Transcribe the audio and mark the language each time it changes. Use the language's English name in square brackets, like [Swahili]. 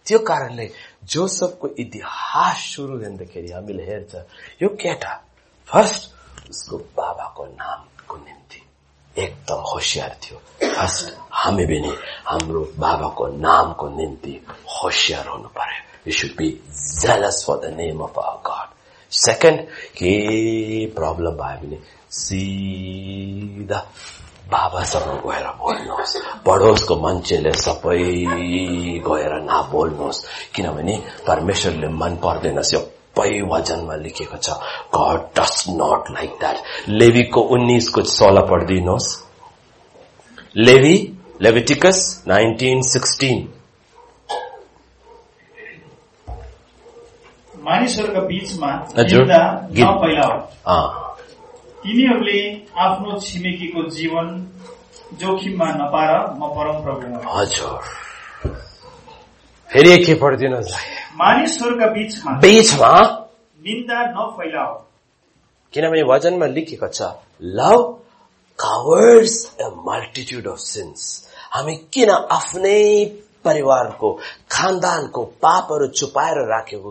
[Nepali] त्यो कारणले जोसेफको इतिहास सुरु हुँदाखेरि हामीले हेर्छ यो केटा फर्स्ट उसको बाबाको नामको निम्ति एकदम होसियार थियो. फर्स्ट हामी पनि हाम्रो बाबाको नामको निम्ति होसियार हुनु पर्यो. [English] You should be jealous for the name of our God. [Nepali] Second, के प्रब्लम भयो भने सिधा बाबासँग गएर बोल्नुहोस्. पडोसको मान्छेले सबै गएर ना बोल्नुहोस्, किनभने परमेश्वरले मन पर्दैन. सबै वचनमा लेखेको छ [English] God does not like that. [Nepali] लेवीको 19:16 पढिदिनुहोस्. Levy Leviticus 19:16. मानिसहरूका बीचमा पहिला तिनीहरूले आफ्नो छिमेकीको जीवन जोखिममा नपार, म परम प्रभु. हजुर, फेरि के पढिदिनुहोस्? मानिसहरूका बीचमा निन्दा नफैलाओ, किनभने वचनमा लेखेको छ [English] Love covers a multitude of sins. [Nepali] हामी किन आफ्नै परिवारको खानदानको पापहरू छुपाएर राखेको?